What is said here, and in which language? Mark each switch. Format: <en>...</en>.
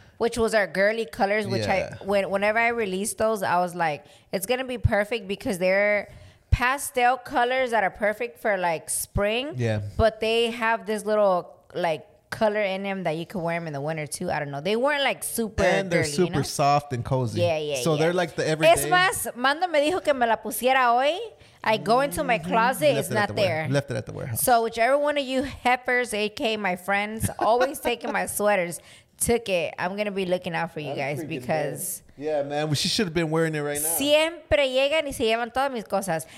<en>Which was our girly colors, which yeah. Whenever I released those, I was like, it's going to be perfect because they're pastel colors that are perfect for like spring. Yeah. But they have this little like color in them that you can wear them in the winter too. I don't know. They weren't like super and they're girly, super you know? Soft and cozy. Yeah, yeah, so yeah. They're like the everyday.</en> <es>Es más, Mando me dijo que me la pusiera hoy.</es> <en>I go into my closet, it's not there. Left it at the warehouse. So whichever one of you heifers, aka my friends, always taking my sweaters, took it. I'm going to be looking out for you guys because... Yeah, man. Well, she should have been wearing it right now.</en> <es>Siempre llegan y se llevan todas mis cosas.</es>